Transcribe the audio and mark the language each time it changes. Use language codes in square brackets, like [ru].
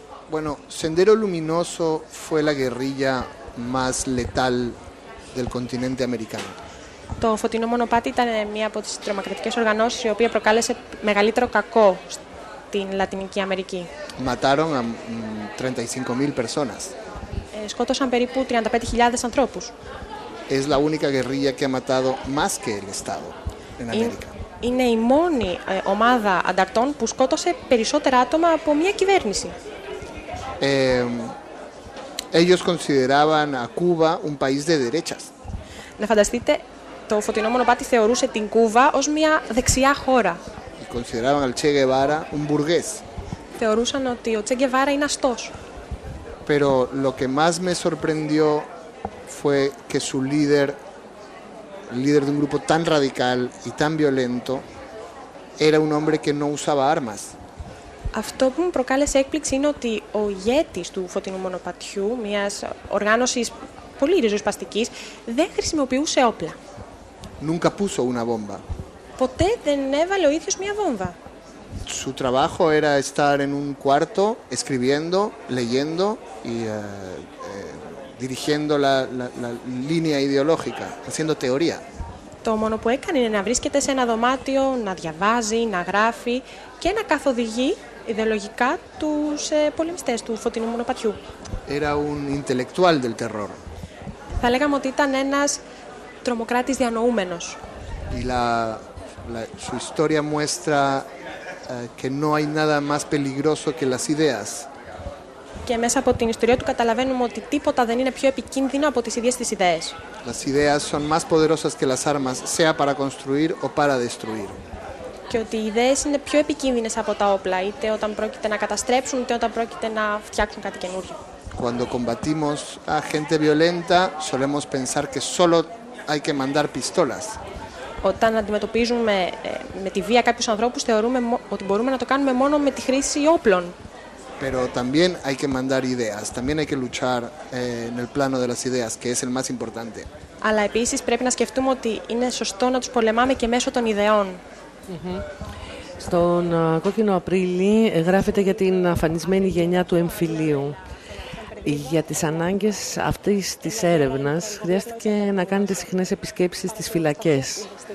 [es] Bueno, Sendero Luminoso fue la guerrilla más letal del continente americano. [el] Το φωτεινό μονοπάτι ήταν μία από τις τρομοκρατικές οργανώσεις η οποία προκάλεσε μεγαλύτερο κακό στην Λατινική Αμερική. [es] Mataron a 35.000 personas. [el] Σκότωσαν περίπου 35.000 ανθρώπους. [es] Es la única guerrilla que ha matado más que el Estado en América. [el] Είναι η μόνη ομάδα ανταρτών που σκότωσε περισσότερα άτομα από μια κυβέρνηση. [es] Ellos consideraban a Cuba un país de derechas. [el] Να φανταστείτε, το φωτεινό μονοπάτι θεωρούσε την Κούβα ως μια δεξιά χώρα. [es] Y consideraban al Che Guevara un burgués. [el] Θεωρούσαν ότι ο Che Guevara είναι αστός. [es] Pero lo que más me sorprendió fue que su líder, el líder de un grupo tan radical y tan violento, era un hombre que no usaba armas. [el] Αυτό που μου προκάλεσε έκπληξη είναι ότι ο ηγέτης του Φωτεινού Μονοπατιού, μιας οργάνωσης πολύ ριζοσπαστικής, δεν χρησιμοποιούσε όπλα. [es] Nunca puso una bomba. [el] Ποτέ δεν έβαλε ο ίδιος μια βόμβα. [es] Su trabajo era estar en un cuarto escribiendo, leyendo y dirigiendo la línea ideológica, haciendo teoría. [el] Το μόνο που έκανε είναι να βρίσκεται σε ένα δωμάτιο, να διαβάζει, να γράφει και να καθοδηγεί ιδεολογικά τους πολεμιστές του Φωτεινού Μονοπατιού. [es] Era un intelectual del terror. [el] Θα λέγαμε ότι ήταν ένας τρομοκράτης διανοούμενος. [es] Y su historia muestra que no hay nada más peligroso que las ideas. [el] Και μέσα από την ιστορία του καταλαβαίνουμε ότι τίποτα δεν είναι πιο επικίνδυνο από τις ίδιες τις ιδέες. [es] Las ideas son más poderosas que las armas, sea para construir o para destruir. [el] Και ότι οι ιδέες είναι πιο επικίνδυνες από τα όπλα, είτε όταν πρόκειται να καταστρέψουν, είτε όταν πρόκειται να φτιάξουν κάτι καινούργιο. [es] Cuando combatimos a gente violenta, solemos pensar que solo hay que mandar pistolas. [el] Όταν αντιμετωπίζουμε με τη βία κάποιους ανθρώπους, θεωρούμε ότι μπορούμε να το κάνουμε μόνο με τη χρήση όπλων. [es] Pero también hay que mandar ideas, también hay que luchar en el plano de las ideas, que es el más importante. [el] Αλλά επίσης πρέπει να σκεφτούμε ότι είναι σωστό να τους πολεμάμε και μέσω των ιδεών. Mm-hmm. Στον Κόκκινο Απρίλη γράφεται για την αφανισμένη γενιά του εμφυλίου. Για τις ανάγκες αυτής της έρευνας χρειάστηκε να κάνετε συχνές επισκέψεις στις φυλακές.